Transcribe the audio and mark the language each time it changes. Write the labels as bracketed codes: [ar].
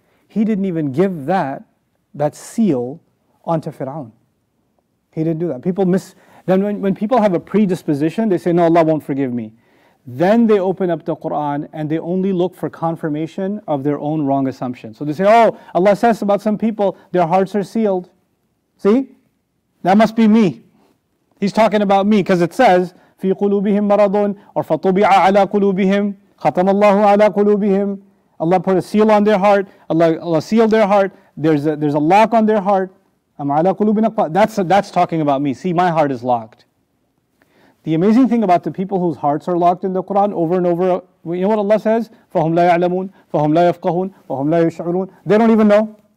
[en] He didn't even give that seal onto Fir'aun. He didn't do that. When people have a predisposition, they say, no, Allah won't forgive me. Then they open up the Quran and they only look for confirmation of their own wrong assumption. So they say, oh, Allah says about some people, their hearts are sealed. See, that must be me. He's talking about me because it says في قلوبهم مرضون or فطبع على قلوبهم ختم الله على قلوبهم. Allah put a seal on their heart. Allah sealed their heart. There's a lock on their heart. That's talking about me. See, my heart is locked. The amazing thing about the people whose hearts are locked in the Quran over and over, you know what Allah says? [ar] فَهُمْ لَا يَعْلَمُونَ فَهُمْ لَا يَفْقَهُونَ فَهُمْ لَا يَشْعُرُونَ. They don't even know.